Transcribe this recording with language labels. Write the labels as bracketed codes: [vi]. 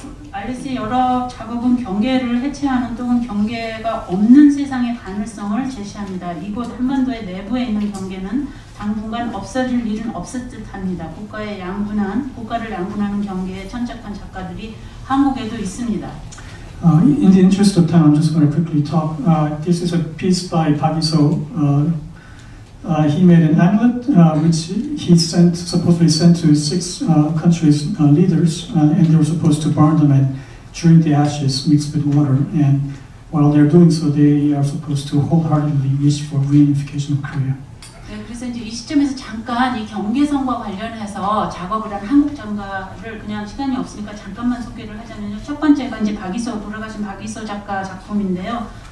[ko] 알리스의 여러 작업은 경계를 해체하는 또는 경계가 없는 세상의 가능성을 제시합니다. 이곳 한반도의 내부에 있는 경계는 당분간 없어질 일은 없을 듯합니다. 국가를 양분하는 경계에 천착한 작가들이 한국에도 있습니다. [en] In the interest of time, I'm just going to quickly talk. This is a piece by Park In-seo. He made an amulet which he supposedly sent to six countries' leaders, and they were supposed to burn them and drink the ashes mixed with water. And while they're doing so, they are supposed to wholeheartedly wish for reunification of Korea. [ko] 네, 그래서 이제 이 시점에서 잠깐 이 경계선과 관련해서 작업을 한 한국 작가를 그냥 시간이 없으니까 잠깐만 소개를 하자면요. 첫 번째가 이제 돌아가신 박이서 작가 작품인데요.